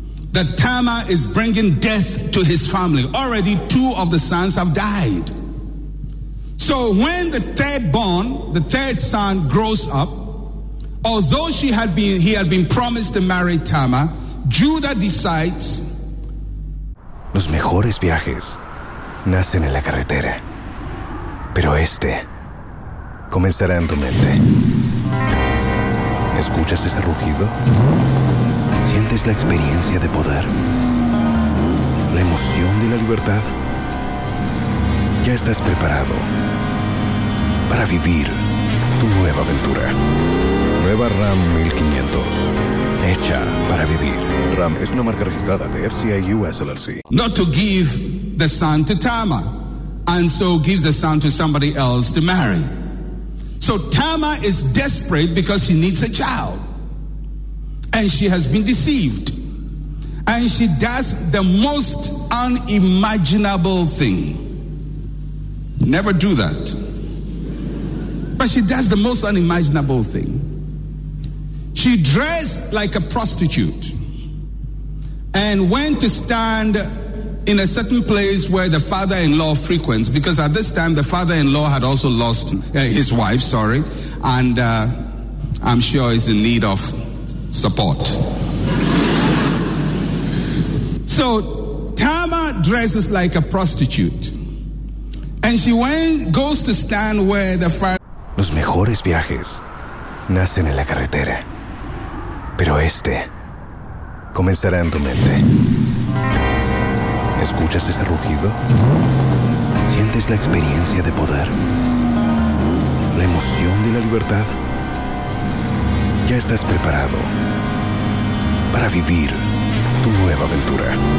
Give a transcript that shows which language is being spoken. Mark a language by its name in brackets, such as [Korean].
[English] That Tamar is bringing death to his family. Already two of the sons have died. So when the third son grows up, although he had been promised to marry Tamar, Judah decides. [Spanish] Los mejores viajes nacen en la carretera, pero este comenzará en tu mente. ¿Escuchas ese rugido? ¿Sientes la experiencia de poder? ¿La emoción de la libertad? Ya estás preparado para vivir tu nueva aventura. Nueva Ram 1500. Hecha para vivir. Ram es una marca registrada de FCA US LLC. [English] Not to give the son to Tamar, and so gives the son to somebody else to marry. So Tamar is desperate because she needs a child. And she has been deceived. And she does the most unimaginable thing. Never do that. But she does the most unimaginable thing. She dressed like a prostitute and went to stand in a certain place where the father-in-law frequents, because at this time the father-in-law had also lost his wife, and I'm sure he's in need of support. So Tamar dresses like a prostitute and she goes to stand where the father. [Spanish] Los mejores viajes nacen en la carretera, pero este comenzará en tu mente. ¿Escuchas ese rugido? ¿Sientes la experiencia de poder? ¿La emoción de la libertad? Ya estás preparado para vivir tu nueva aventura.